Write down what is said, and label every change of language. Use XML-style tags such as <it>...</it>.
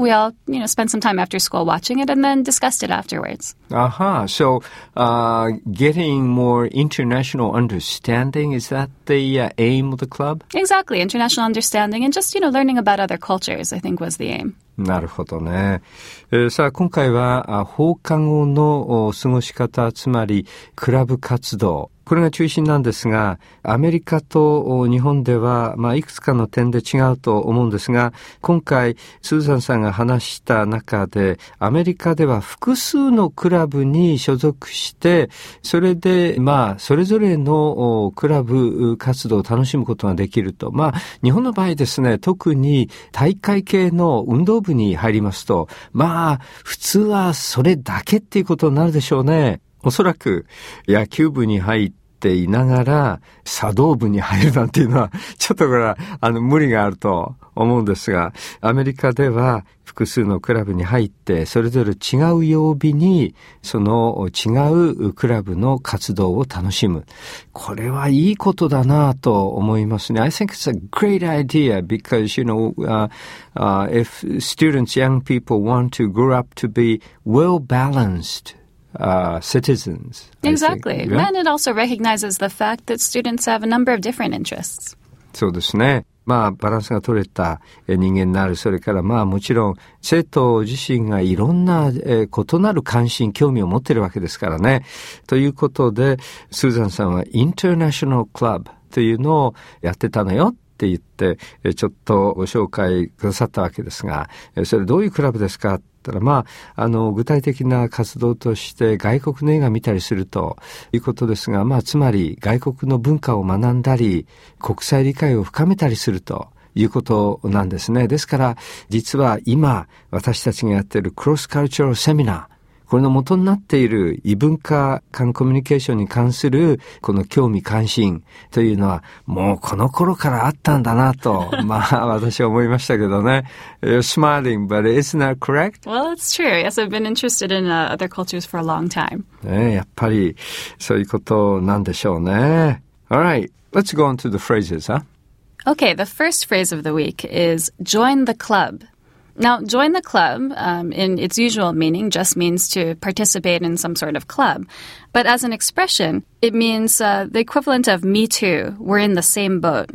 <en>We all, spent some time after school watching it and then discussed it afterwards. Uh-huh. So getting more international understanding, is that the aim of the club? Exactly. International understanding and just, learning about other cultures, I think, was the aim.</en> <ja>なるほどね。さあ、今回は放課後の過ごし方、つまりクラブ活動。これが中心なんですが、アメリカと日本では、いくつかの点で違うと思うんですが、今回、スーザンさんが話した中で、アメリカでは複数のクラブに所属して、それで、それぞれのクラブ活動を楽しむことができると。日本の場合ですね、特に大会系の運動部に入りますと、普通はそれだけっていうことになるでしょうね。おそらく野球部に入っていながら茶道部に入るなんていうのはちょっとこれは無理があると思うんですが、アメリカでは複数のクラブに入ってそれぞれ違う曜日にその違うクラブの活動を楽しむ。</ja> <en>これはいいことだなと思いますね。 I think it's a great idea because, if students, young people want to grow up to be well-balanced,citizens. Exactly. Yeah? And it also recognizes the fact that students have a number of different interests.</en> <ja>そうですね。バランスが取れた人間になる。それからもちろん生徒自身がいろんな、異なる関心、興味を持っているわけですからね。ということで、スーザンさんはインターナショナルクラブというのをやってたのよって言って、ちょっとご紹介くださったわけですが、それどういうクラブですか? 具体的な活動として外国の映画を見たりするということですが、つまり外国の文化を学んだり国際理解を深めたりするということなんですね。ですから実は今私たちがやっているクロスカルチャルセミナー、これの元になっている異文化間コミュニケーションに関するこの興味関心というのはもうこの頃からあったんだなと、まあ私は思いましたけどね。</ja> <en>You're smiling, but it's not correct? Well, it's true. Yes, I've been interested in other cultures for a long time.</en> <ja>ねえ、やっぱりそういうことなんでしょうね。</ja> <en>All right, let's go on to the phrases, huh? Okay, the first phrase of the week is join the club. Now, join the club, in its usual meaning, just means to participate in some sort of club. But as an expression, it means the equivalent of me too, we're in the same boat.</en>